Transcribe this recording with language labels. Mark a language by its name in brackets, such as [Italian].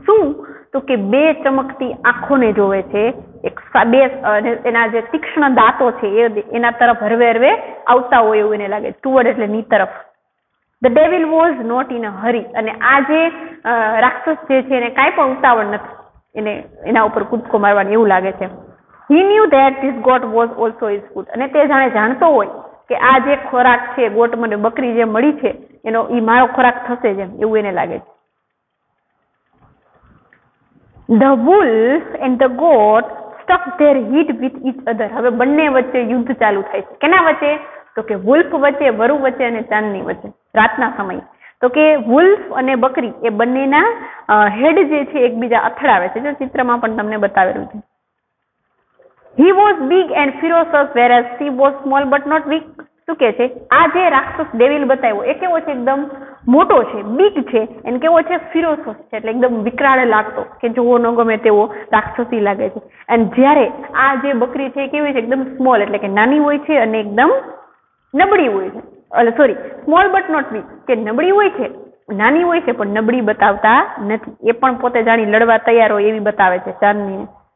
[Gujarati] શું તો કે બે ચમકતી આંખોને જોવે છે, એક બે અને એના જે તીક્ષ્ણ દાંતો છે એ એના તરફ હરવે હરવે આવતા હોય એવું એને લાગે, ટુવર્ડ એટલે ની તરફ. The devil was not in a હરી. અને આ જે રાક્ષસ જે છે એને કાંઈ પણ ઉતાવળ નથી એને એના ઉપર કૂદકો મારવાની એવું લાગે છે. [English] He knew that this goat was also his food. [Gujarati] અને તે જાણે જાણતો હોય કે આ જે ખોરાક છે ગોટ મને બકરી જે મળી છે એનો એ મારો ખોરાક થશે જ એમ એવું એને લાગે છે. [English] The wolf and the goat stuck there hit with each other. [Gujarati] હવે બંને વચ્ચે યુદ્ધ ચાલુ થાય છે. કેના વચ્ચે, તો કે વુલ્ફ વચ્ચે, વરુ વચ્ચે અને ચાંદની વચ્ચે રાતના સમયે. તો કે વુલ્ફ અને બકરી એ બંનેના હેડ જે છે એકબીજા અથડાવે છે, જે ચિત્રમાં પણ તમને બતાવેલું છે. [English] He was big and ferocious whereas she was small but not weak. [Gujarati] શું કે છે, આ જે રાક્ષસ ડેવિલ બતાવ્યો એ કેવો છે, એકદમ મોટો છે, બીક છે, એને કેવો છે, ફિરોસસ છે, એટલે એકદમ વિકરાળ લાગતો કે જોવો ન ગમે તેવો રાક્ષસી લાગે છે. અને જ્યારે આ જે બકરી છે એ કેવી છે, એકદમ સ્મોલ એટલે કે નાની હોય છે અને એકદમ નબળી હોય છે, એટલે [English] sorry small but not weak, [Gujarati] કે નબળી હોય છે, નાની હોય છે પણ નબળી બતાવતા નથી, એ પણ પોતે જાણી લડવા તૈયાર હોય એવી બતાવે છે ચાંદનીને.